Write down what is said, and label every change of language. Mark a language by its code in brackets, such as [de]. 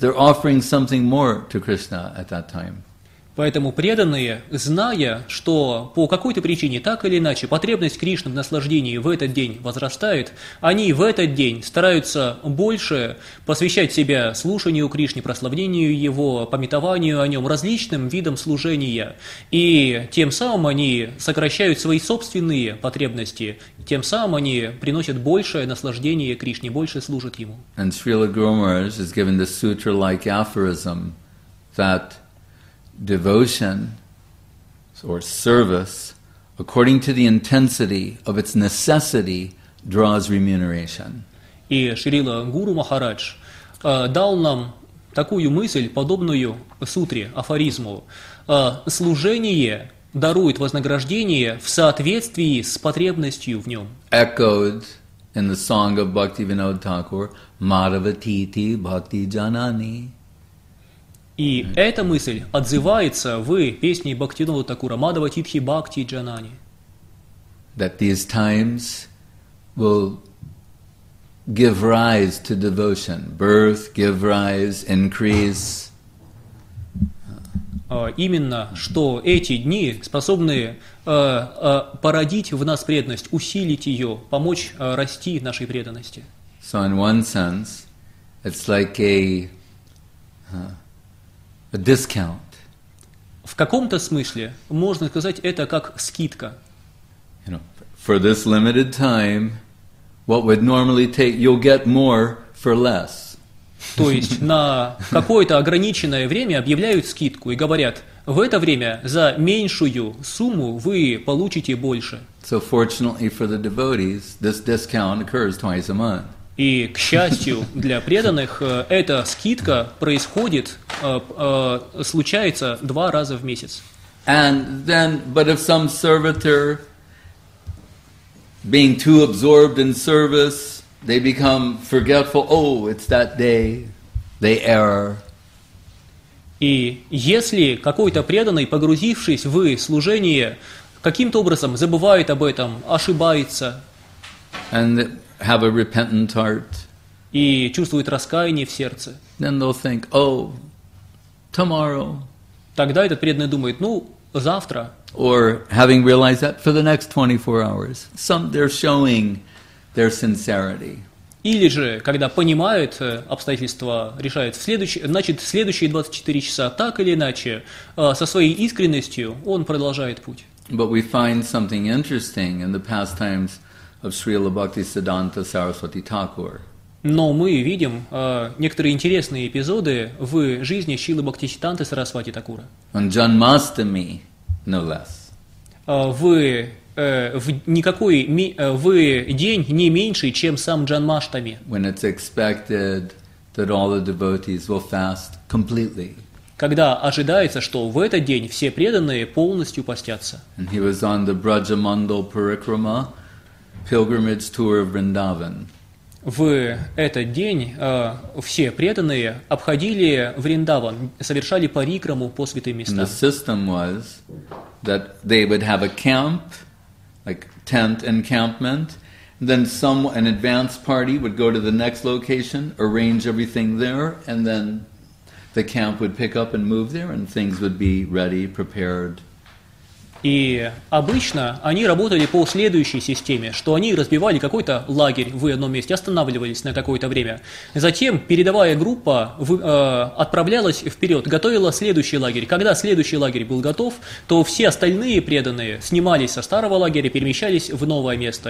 [en] They're offering something more to Krishna at that time. [ru] Поэтому преданные, зная, что по какой-то причине, так или иначе, потребность Кришны в наслаждении в этот день возрастает, они в этот день стараются больше посвящать себя слушанию Кришны, прославлению Его, памятованию о Нем, различным видам служения. И тем самым они сокращают свои собственные потребности, тем самым они приносят большее наслаждение Кришне, больше служат Ему. [en] And Srila Guru Maharaj is given the sutra-like aphorism that devotion or service, according to the intensity of its necessity, draws remuneration. [ru] И Шрила Гуру Махарадж дал нам такую мысль, подобную сутре, афоризму. Служение дарует вознаграждение в соответствии с потребностью в нем. [en] Echoed in the song of Bhaktivinoda Thakur, Madhavatiti Bhakti Janani. [ru] И эта мысль отзывается в песне Бхактинода Такура «Мадава Титхи Бхакти Джанани». [en] That these times will give rise to devotion. Birth, give rise, increase. [ru] Именно, что эти дни способны породить в нас преданность, усилить ее, помочь расти нашей преданности. [en] So in one sense, it's like a discount. [ru] В каком-то смысле можно сказать это как скидка. [en] You know, for this limited time, what would normally take, you'll get more for less. [ru] То есть на какое-то ограниченное время объявляют скидку и говорят, в это время за меньшую сумму вы получите больше. [en] So fortunately for the devotees, this discount occurs twice a month. [ru] И, к счастью для преданных, эта скидка происходит, случается два раза в месяц. [en] And then, but if some servitor, being too absorbed in service, they become forgetful, oh, it's that day, they err. [ru] И если какой-то преданный, погрузившись в служение, каким-то образом забывает об этом, ошибается, [en] and have a repentant heart, [ru] и чувствует раскаяние в сердце, [en] then they'll think, oh, tomorrow. [ru] Тогда этот преданный думает, ну, завтра. [en] Or having realized that for the next 24 hours, some they're showing their sincerity. [ru] Или же, когда понимают обстоятельства, решают, значит, следующие 24 часа, так или иначе, со своей искренностью, он продолжает путь. [en] But we find something interesting in the pastimes of Srila Bhaktisiddhanta Saraswati Thakur. [ru] Но мы видим некоторые интересные эпизоды в жизни Шрилы Бхактисиддханты Сарасвати Такура. [en] On Janmastami, no less. [ru] В день не меньше, чем сам Джанмаштами. [en] When it's expected that all the devotees will fast completely. [ru] Когда ожидается, что в этот день все преданные полностью постятся. [en] And he was on the Brajamandal Parikrama, pilgrimage tour of Vrindavan. [ru] В этот день все преданные обходили Вриндаван, совершали парикраму по святым местам. [en] The system was that they would have a camp, like tent encampment, then an advance party would go to the next location, arrange everything there, and then the camp would pick up and move there, and things would be ready, prepared. [ru] И обычно они работали по следующей системе, что они разбивали какой-то лагерь в одном месте, останавливались на какое-то время. Затем передовая группа отправлялась вперед, готовила следующий лагерь. Когда следующий лагерь был готов, то все остальные преданные снимались со старого лагеря, перемещались в новое место.